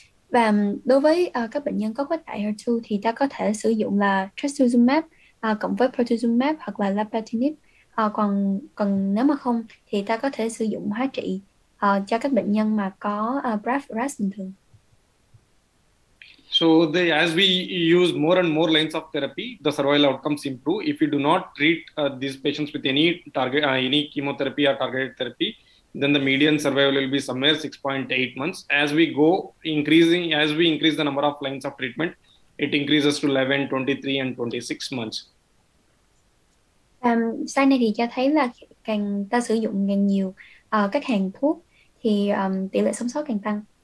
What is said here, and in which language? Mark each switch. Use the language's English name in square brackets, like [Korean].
[Vietnamese] Và đối với các bệnh nhân có khuếch đại HER2 thì ta có thể sử dụng là trastuzumab cộng với pertuzumab hoặc là lapatinib. Còn còn nếu mà không thì ta có thể sử dụng hóa trị cho các bệnh nhân mà có BRAF bình thường. [English] So as we use more and more lines of therapy, the survival outcomes improve. If you do not treat these patients with any chemotherapy or targeted therapy, then the median survival will be somewhere 6.8 months. As we increase the number of lines of treatment, it increases to 11, 23, and 26 months. [Vietnamese] Sau này thì cho thấy là càng ta sử dụng càng nhiều các hàng thuốc thì tỷ lệ sống sót càng tăng.